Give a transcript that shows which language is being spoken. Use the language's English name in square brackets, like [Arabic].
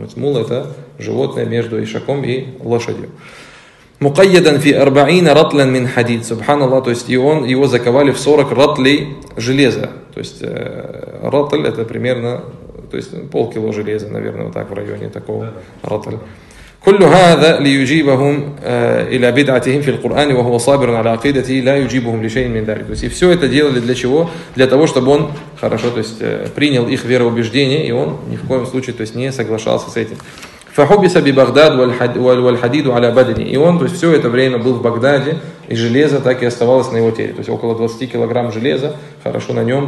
[Russian] Мула это животное между ишаком и лошадью. [Arabic] Мукайядан фи арбаина ратлан мин хадид, [Russian] субханаллах, то есть и он, его заковали в 40 ратлей железа. То есть ратль это примерно, то есть полкило железа, наверное, вот так в районе такого ратля. [Arabic] كل هذا ليجيبهم الى بدعتهم في القران وهو صابر على عقيدته لا يجيبهم لشيء من ذلك. [Russian] То есть все это делали для чего? Для того, чтобы он хорошо, то есть принял их вероубеждение, и он ни в коем случае, то есть не соглашался с этим. [Arabic] فحبس ببغداد والحديد على بدنه. [Russian] И он, то есть все это время был в Багдаде, И железо так и оставалось на его теле. То есть около 20 килограмм железа хорошо на нем.